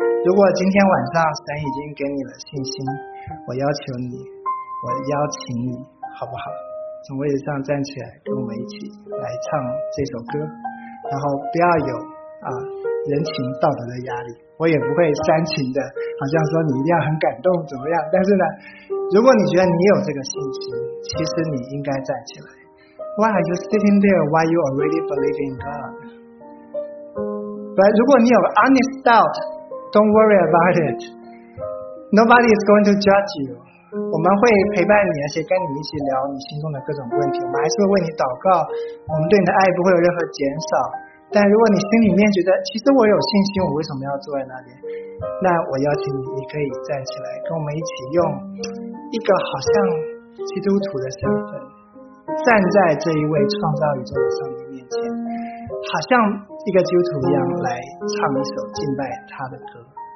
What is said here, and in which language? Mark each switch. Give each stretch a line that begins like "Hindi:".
Chinese: 如果今天晚上神已经给你了信心，我要求你，我邀请你，好不好，从位置上站起来跟我们一起来唱这首歌，然后不要有人情道德的压力。我也不会煽情的好像说你一定要很感动怎么样，但是呢，如果你觉得你有这个信心，其实你应该站起来。
English: Why are you sitting there while you already believe in God? But
Chinese: 如果你有
English: honest doubt, don't worry about it. Nobody is going to judge you.
Chinese: 我们会陪伴你，而且跟你一起聊你心中的各种问题，我们还是会为你祷告，我们对你的爱不会有任何减少。但如果你心里面觉得其实我有信心，我为什么要坐在那里，那我邀请你，你可以站起来跟我们一起用一个好像基督徒的身份站在这一位创造宇宙的上帝面前，好像一个基督徒一样来唱一首敬拜他的歌。